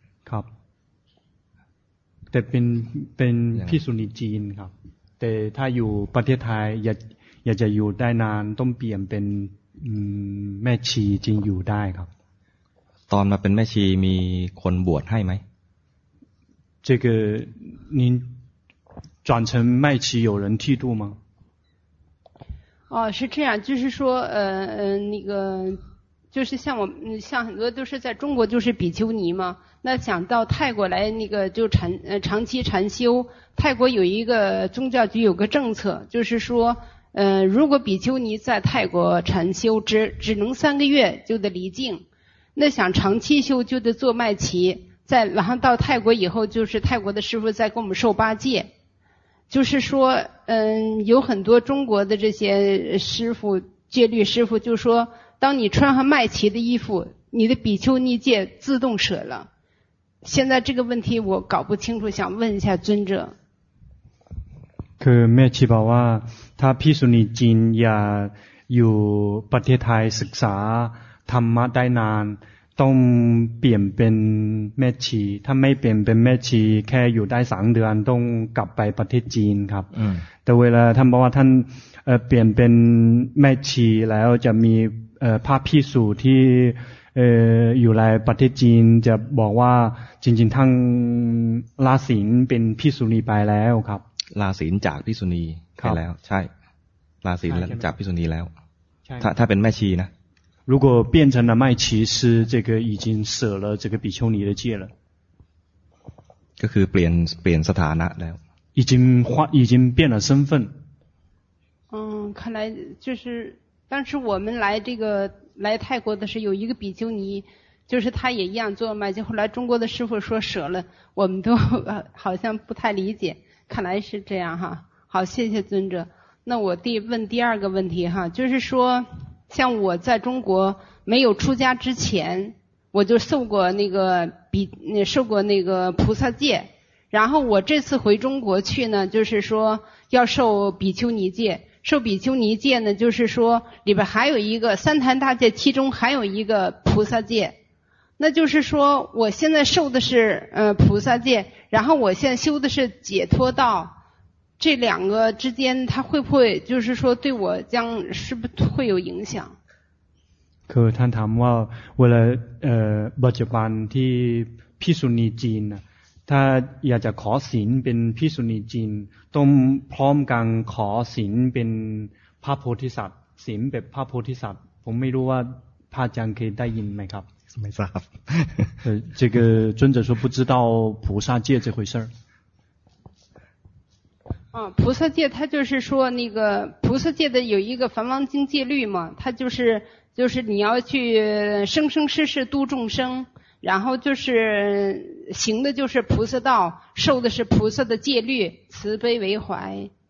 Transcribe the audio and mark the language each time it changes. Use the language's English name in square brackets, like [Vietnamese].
[Thai] ครับแต่เป็นภิกษุณีจีนครับแต่ถ้าอยู่ประเทศไทยอยากจะอยู่ได้นานต้องเปลี่ยนเป็นแม่ชีจริงอยู่ได้ครับ ตอนมาเป็นแม่ชีมีคนบวชให้ไหม [Chinese] 这个您转成麦耆有人剃度吗哦是这样就是说那个就是像我像很多都是在中国就是比丘尼嘛那想到泰国来那个就长期禅修泰国有一个宗教局有个政策就是说如果比丘尼在泰国禅修只能三个月就得离境那想长期修就得做麦耆在然后到泰国以后就是泰国的师父在给我们受八戒就是说有很多中国的这些师父戒律师父就说当你穿上麦耆的衣服你的比丘尼戒自动舍了现在这个问题我搞不清楚想问一下尊者 [Thai] คือแม่ชีบอกว่าถ้าภิกษุณีจีนอยากอยู่ประเทศไทยศึกษาธรรมะได้นานต้องเปลี่ยนเป็นแม่ชีถ้าไม่เปลี่ยนเป็นแม่ชีแค่อยู่ได้สามเดือนต้องกลับไปประเทศจีนครับแต่เวลาท่านบอกว่าท่านเปลี่ยนเป็นแม่ชีแล้วจะมีพระภิกษุที่อยู่ในประเทศจีนจะบอกว่าจริงๆท่านลาศีลเป็นภิกษุณีไปแล้วครับ ลาศีลจากภิกษุณีไปแล้วใช่ลาศีลจากภิกษุณีแล้วถ้าเป็นแม่ชีนะ [Chinese] 如果变成了麦耆师，这个已经舍了这个比丘尼的戒了。 [Thai] ก็คือเปลี่ยนสถานะแล้ว。 [Chinese] 已经变了身份。看来就是当时我们来这个来泰国的时候，有一个比丘尼，就是他也一样做麦耆，后来中国的师父说舍了，我们都好像不太理解。看来是这样哈。好，谢谢尊者。那我问第二个问题哈，就是说。像我在中国没有出家之前我就受过那个菩萨戒然后我这次回中国去呢就是说要受比丘尼戒受比丘尼戒呢就是说里边还有一个三坛大戒其中还有一个菩萨戒那就是说我现在受的是菩萨戒然后我现在修的是解脱道这两个之间它会不会就是说对我将是不是会有影响 [Thai] คือท่านถามว่าเวลาปัจจุบันที่ภิกษุณีจีนถ้าอยากจะขอศีลเป็นภิกษุณีจีนต้องพร้อมกันขอศีลเป็นพระโพธิสัตว์ศีลแบบพระโพธิสัตว์ผมไม่รู้ว่าพระอาจารย์เคยได้ยินไหมครับ ไม่ทราบ [Chinese] 这个尊者说不知道菩萨戒这回事菩萨戒他就是说那个菩萨戒的有一个梵王经戒律嘛他就是你要去生生世世度众生然后就是行的就是菩萨道受的是菩萨的戒律慈悲为怀